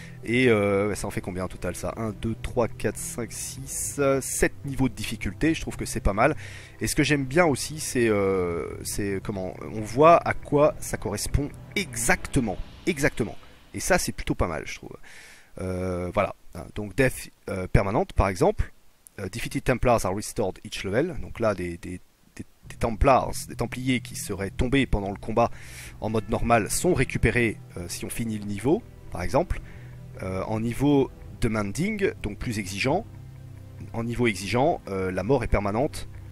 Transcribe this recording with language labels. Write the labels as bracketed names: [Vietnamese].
[French] Et ça en fait combien en total ça? 1, 2, 3, 4, 5, 6, 7 niveaux de difficulté, je trouve que c'est pas mal. Et ce que j'aime bien aussi, c'est comment on voit à quoi ça correspond exactement, exactement. Et ça, c'est plutôt pas mal, je trouve. Voilà. Donc, Death permanente, par exemple. [English] Defeated Templars are restored each level. [French] Donc là, des Templars, des Templiers qui seraient tombés pendant le combat en mode normal sont récupérés si on finit le niveau, par exemple. En niveau demanding, donc plus exigeant. En niveau exigeant, la mort est permanente.